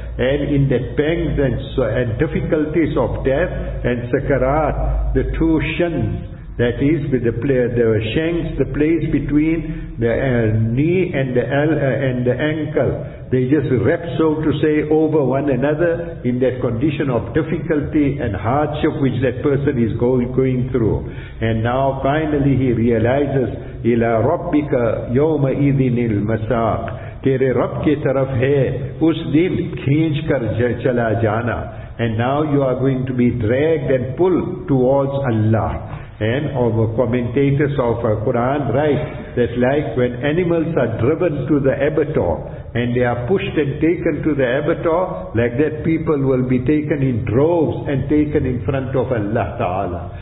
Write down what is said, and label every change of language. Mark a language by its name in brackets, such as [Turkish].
[English] And in the pangs and difficulties of death and sakarat, the two shins, that is, with the shanks, the place between the knee and the ankle. They just wrap, so to say, over one another in that condition of difficulty and hardship which that person is going through. And now finally he realizes, [Arabic] إِلَىٰ رَبِّكَ يَوْمَ إِذِنِ الْمَسَاقِ [Urdu] تیرے رب کے طرف ہے اس دن کھینچ کر چلا جانا. [English] And now you are going to be dragged and pulled towards Allah. And all the commentators of Quran write that like when animals are driven to the abattoir and they are pushed and taken to the abattoir, like that people will be taken in droves and taken in front of Allah Ta'ala.